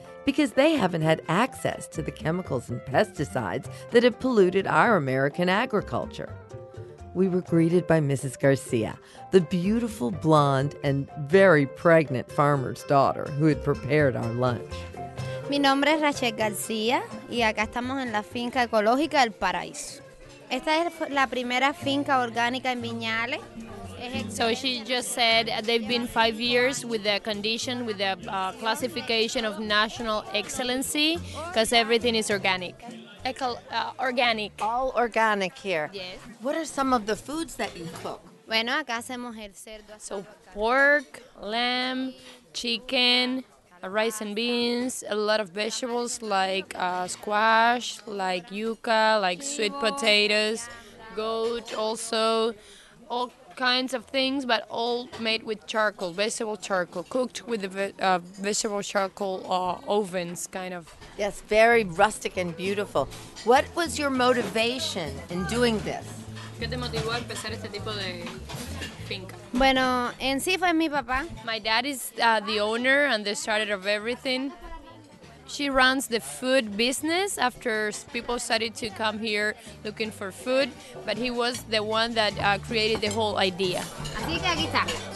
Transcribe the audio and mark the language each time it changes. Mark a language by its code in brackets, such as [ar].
[en] Because they haven't had access to the chemicals and pesticides that have polluted our American agriculture. We were greeted by Mrs. Garcia, the beautiful blonde and very pregnant farmer's daughter who had prepared our lunch. [es] Mi nombre es Rachel García y acá estamos en la finca ecológica El Paraíso. Esta es la primera finca orgánica en Viñales. [en] So she just said they've been 5 years with the condition, with the classification of national excellency, because everything is organic. Organic. All organic here. Yes. What are some of the foods that you cook? [es] Bueno, acá hacemos el cerdo. [en] So pork, lamb, chicken, rice and beans, a lot of vegetables like squash, like yuca, like sweet potatoes, goat also, all kinds of things, but all made with charcoal, vegetable charcoal, cooked with the vegetable charcoal ovens, kind of. Yes, very rustic and beautiful. What was your motivation in doing this? [es] ¿Qué te motivó a empezar este tipo de finca? Bueno, en sí fue mi papá. [en] My dad is the owner and the starter of everything. She runs the food business after people started to come here looking for food, but he was the one that created the whole idea. [es] Así que aquí está.